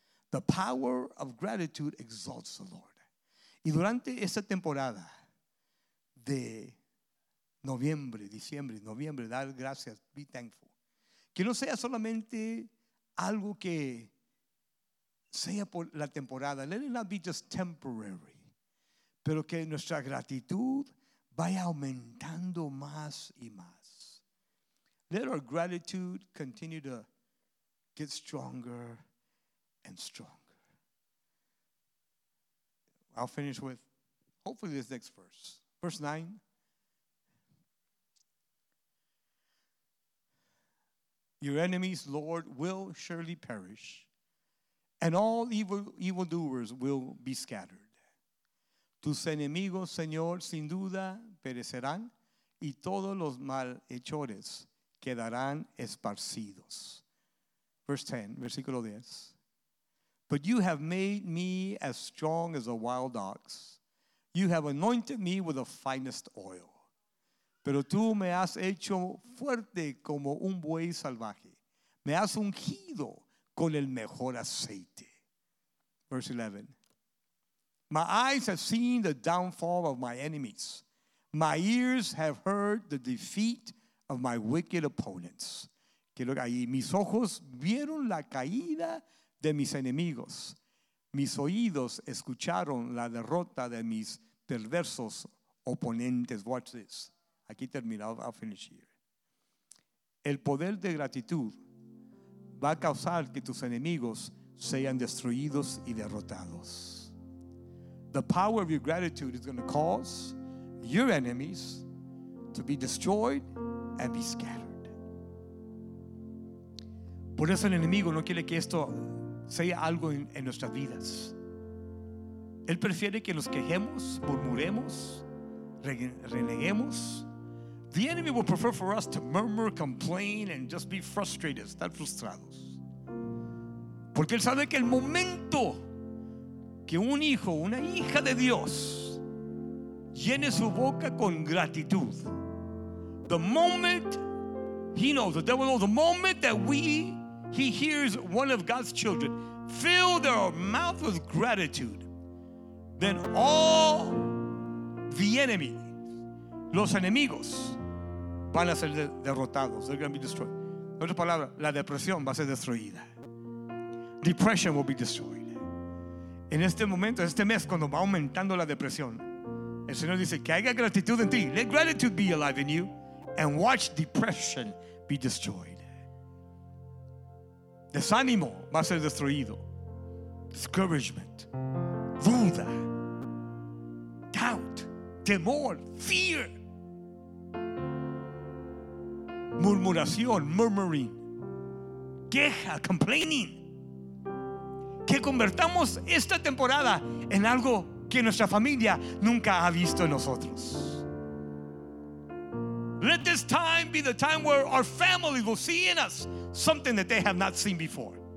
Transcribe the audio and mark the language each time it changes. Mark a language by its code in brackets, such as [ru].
[en] The power of gratitude exalts the Lord. [es] Y durante esta temporada de noviembre, diciembre, noviembre, dar gracias, [en] be thankful. [es] Que no sea solamente algo que sea por la temporada. [en] Let it not be just temporary. [es] Pero que nuestra gratitud vaya aumentando más y más. [en] Let our gratitude continue to get stronger and stronger. I'll finish with Hopefully this next verse. Verse 9. Your enemies, Lord, will surely perish, and all evildoers will be scattered. [es] Tus enemigos, Señor, sin duda perecerán, y todos los malhechores quedarán esparcidos. [en] Verse 10, versículo 10. But you have made me as strong as a wild ox. You have anointed me with the finest oil. [es] Pero tú me has hecho fuerte como un buey salvaje. Me has ungido con el mejor aceite. [en] Verse 11. My eyes have seen the downfall of my enemies. My ears have heard the defeat of my wicked opponents. [es] Quiero que ahí mis ojos vieron la caída de mis enemigos. Mis oídos escucharon la derrota de mis perversos oponentes. [en] Watch this. [es] Aquí termina. [en] I'll finish here. [es] El poder de gratitud va a causar que tus enemigos sean destruidos y derrotados. [en] The power of your gratitude is going to cause your enemies to be destroyed and be scattered. [es] Por eso el enemigo no quiere que esto sea algo en nuestras vidas. Él prefiere que nos quejemos, murmuremos, reneguemos. [en] The enemy will prefer for us to murmur, complain, and just be frustrated, [es] estar frustrados. Porque él sabe que el momento que un hijo, una hija de Dios, llene su boca con gratitud, [en] the moment he knows, the devil knows, the moment that he hears one of God's children fill their mouth with gratitude, then all the enemy, [es] los enemigos, [en] van a ser derrotados. They're going to be destroyed. [es] En otras palabras, la depresión va a ser destruida. [en] Depression will be destroyed. [es] En este momento, este mes, cuando va aumentando la depresión, el Señor dice que haya gratitud en ti. [en] Let gratitude be alive in you and watch depression be destroyed. [es] Desánimo va a ser destruido. Discouragement, duda, doubt, temor, fear, murmuración, murmuring, queja, complaining. Que convertamos esta temporada en algo que nuestra familia nunca ha visto en nosotros. [en] Let this time be the time where our families will see in us something that they have not seen before.